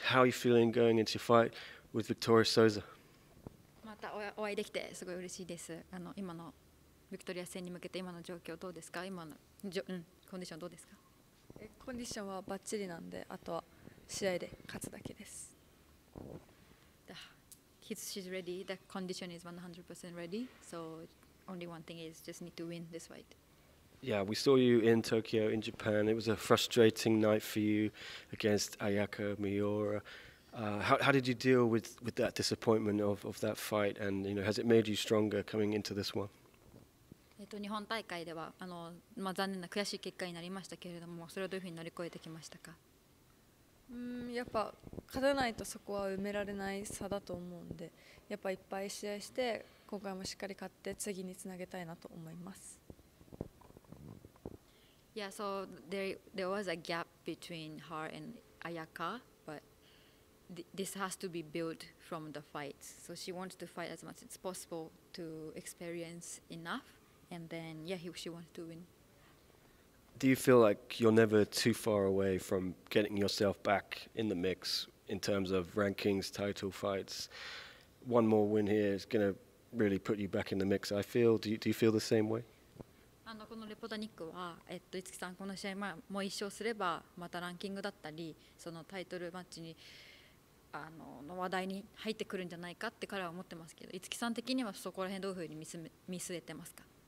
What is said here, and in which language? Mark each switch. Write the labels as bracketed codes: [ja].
[en] How are you feeling going into your fight with Victoria Soza? [ja] またお会いできてすごい嬉しいです。今のビクトリア戦に向けて今の状況どうですか？今のコンディションどうですか？コンディションはバッチリなんで、あとは試合で勝つだけです。 [en] She's ready. The condition is 100% ready. So only one thing is just need to win this fight. Yeah, we saw you in Tokyo, in Japan. It was a frustrating night for you against Ayako Miura. How did you deal with that disappointment of that fight? And you know, has it made you stronger coming into this one? [ja] 日本大会では残念な悔しい結果になりましたけれども、それをどういうふうに乗り越えてきましたか？やっぱ勝たないとそこは埋められない差だと思うんで、やっぱいっぱい試合して今回もしっかり勝って次につなげたいなと思います。 [en] Yeah, so there was a gap between her and Ayaka, but this has to be built from the fight. So she wants to fight as much as possible to experience enough, and then yeah, she wants to win. Do you feel like you're never too far away from getting yourself back in the mix in terms of rankings, title fights? One more win here is going to really put you back in the mix, I feel. Do you feel the same way? [ja] このレポダニックは、いつきさん、この試合もう一勝すれば、またランキングだったり、そのタイトルマッチにの話題に入ってくるんじゃないかって彼は思ってますけど、いつきさん的にはそこら辺どういうふうに見据えてますか？